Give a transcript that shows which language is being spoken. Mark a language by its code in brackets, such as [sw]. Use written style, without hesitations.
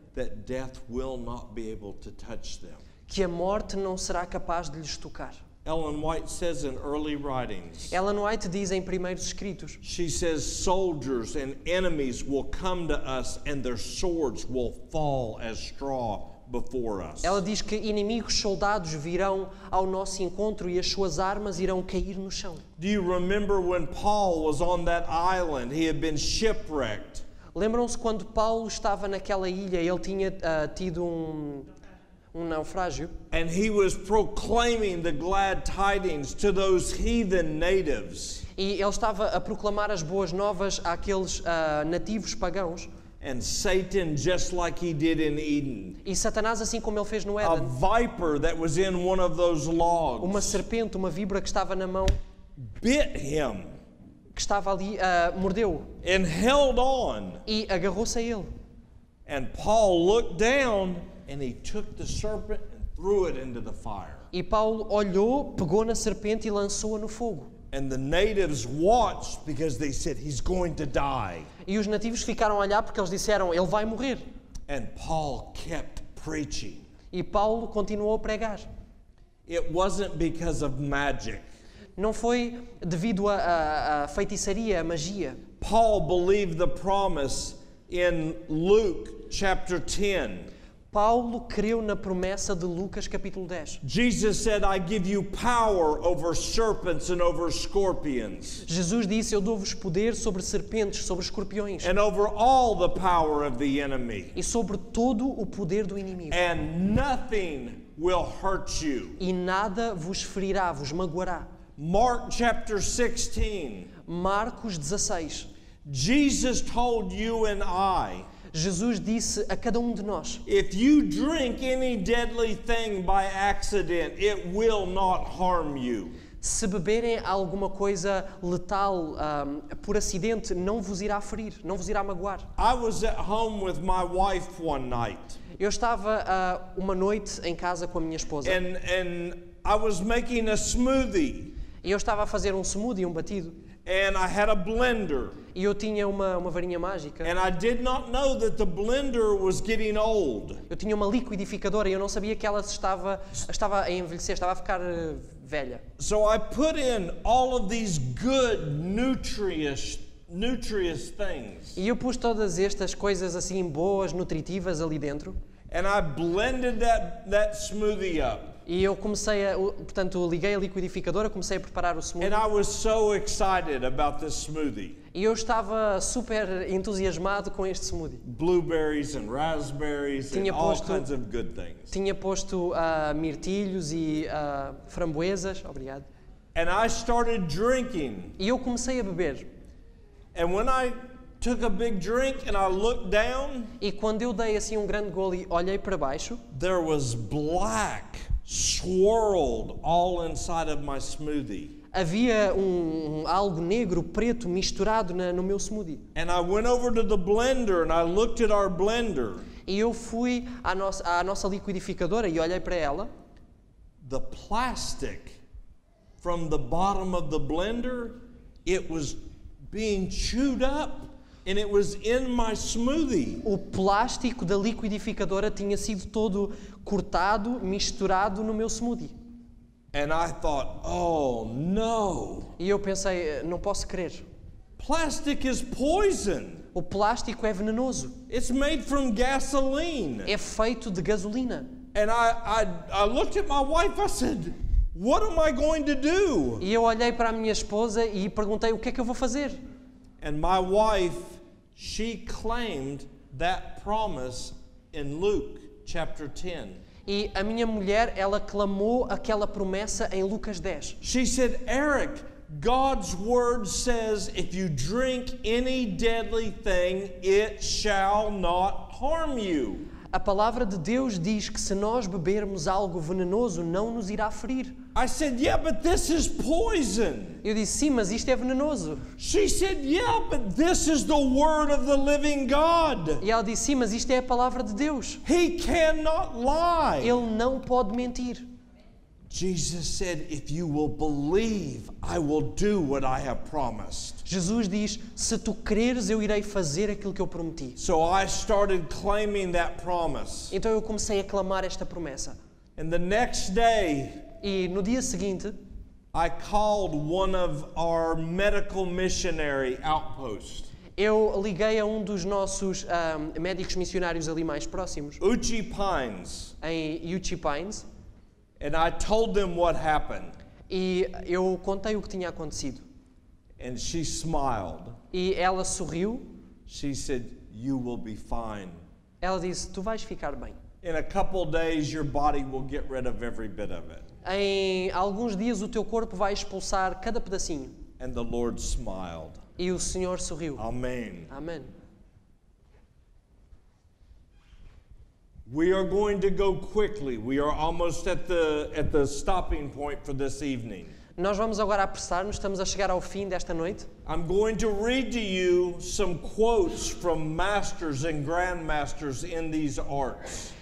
[en] that death will not be able to touch them, [pt] que a morte não será capaz de lhes tocar. [en] Ellen White says in early writings. [pt] Ellen White diz em primeiros escritos. [en] She says soldiers and enemies will come to us and their swords will fall as straw before us. [pt] Ela diz que inimigos, soldados virão ao nosso encontro e as suas armas irão cair no chão. [en] Do you remember when Paul was on that island? He had been shipwrecked. [pt] Lembram-se quando Paulo estava naquela ilha, ele tinha tido um naufrágio. [en] And he was proclaiming the glad tidings to those heathen natives. [pt] E ele estava a proclamar as boas novas àqueles nativos pagãos. [en] And Satan, just like he did in Eden. [pt] E Satanás, assim como ele fez no Éden. [en] A viper that was in one of those logs. [pt] Uma serpente, uma víbora que estava na mão. [en] Bit him. [pt] Que estava ali, mordeu-o. [en] And held on. [pt] E agarrou-se a ele. [en] And Paul looked down and he took the serpent and threw it into the fire. [pt] E Paulo olhou, pegou na serpente e lançou-a no fogo. [en] And the natives watched because they said he's going to die. [pt] E os nativos ficaram a olhar porque eles disseram ele vai morrer. [en] And Paul kept preaching. [pt] E Paulo continuou a pregar. [en] It wasn't because of magic. [pt] Não foi devido à feitiçaria, à magia. [en] Paul believed the promise in Luke chapter 10. [pt] Paulo creu na promessa de Lucas capítulo 10. [en] Jesus said, I give you power over serpents and over scorpions. [pt] Jesus disse, eu dou-vos poder sobre serpentes, sobre escorpiões. [en] And over all the power of the enemy. [pt] E sobre todo o poder do inimigo. [en] And nothing will hurt you. [pt] E nada vos ferirá, vos magoará. [en] Mark chapter 16. [pt] Marcos 16. [en] Jesus told you and I. [pt] Jesus disse a cada um de nós. [en] If you drink any deadly thing by accident, it will not harm you. [pt] Se beberem alguma coisa letal por acidente, não vos irá ferir, não vos irá magoar. [en] I was at home with my wife one night. [pt] Eu estava uma noite em casa com a minha esposa. [en] And I was making a smoothie. [pt] E eu estava a fazer um smoothie, um batido. [en] And I had a blender. [pt] E eu tinha uma varinha mágica. [en] And I did not know that the blender was getting old. [pt] Eu tinha uma liquidificadora e eu não sabia que ela estava a envelhecer, estava a ficar velha. [en] So I put in all of these good nutritious things. [pt] E eu pus todas estas coisas assim boas, nutritivas ali dentro. [en] And I blended that smoothie up. [pt] E eu comecei a, portanto, liguei a liquidificadora, comecei a preparar o smoothie. [en] And I was so excited about this smoothie. [pt] E eu estava super entusiasmado com este smoothie. [en] Blueberries and raspberries [pt] tinha [en] and [pt] posto, [en] all kinds of good things. [pt] Tinha posto mirtilhos e framboesas, obrigado. [en] And I started drinking. [pt] E eu comecei a beber. [en] And when I took a big drink and I looked down, [pt] e quando eu dei assim um grande gole e olhei para baixo, [en] there was black swirled all inside of my smoothie. [pt] Havia algo negro, preto, misturado no meu smoothie. [en] And I went over to the blender and I looked at our blender. [pt] E eu fui à nossa liquidificadora e olhei para ela. [en] The plastic from the bottom of the blender, it was being chewed up. And it was in my smoothie. [pt] O plástico da liquidificadora tinha sido todo cortado, misturado no meu smoothie. [en] And I thought, oh no. [pt] E eu pensei, não posso crer. [en] Plastic is poison. [pt] O plástico é venenoso. [en] It's made from gasoline. [pt] É feito de gasolina. [en] And I looked at my wife, I said, what am I going to do? [pt] E eu olhei para a minha esposa e perguntei, o que é que eu vou fazer? [en] And my wife, she claimed that promise in Luke chapter 10. [pt] E a minha mulher, ela clamou aquela promessa em Lucas 10. [en] She said, Eric, God's word says if you drink any deadly thing, it shall not harm you. [pt] A palavra de Deus diz que se nós bebermos algo venenoso, não nos irá ferir. [en] I said, yeah, but this is poison. [pt] Eu disse, sim, mas isto é venenoso. [en] She said, yeah, but this is the word of the living God. [pt] E ela disse, sim, mas isto é a palavra de Deus. [en] He cannot lie. [pt] Ele não pode mentir. [en] Jesus said, if you will believe, I will do what I have promised. [pt] Jesus diz, se tu creres, eu irei fazer aquilo que eu prometi. [en] So I started claiming that promise. [pt] Então eu comecei a clamar esta promessa. [en] And the next day, [pt] e no dia seguinte, [en] I called one of our medical missionary outposts. [pt] Eu liguei a um dos nossos médicos missionários ali mais próximos. [en] Uchi Pines. [pt] Em Uchi Pines. [en] And I told them what happened. [pt] E eu contei o que tinha acontecido. [en] And she smiled. [pt] E ela sorriu. [en] She said, "You will be fine." [pt] Ela disse, "Tu vais ficar bem." [en] In a couple days, your body will get rid of every bit of it. [pt] Em alguns dias, o teu corpo vai expulsar cada pedacinho. [en] And the Lord smiled. [pt] E o Senhor sorriu. [en] Amen. [pt] Amen. [en] We are going to go quickly. We are almost at the stopping point for this evening. [pt] Nós vamos agora apressar-nos, estamos a chegar ao fim desta noite. [en] I'm going to read to you some quotes from masters and grandmasters in these arts.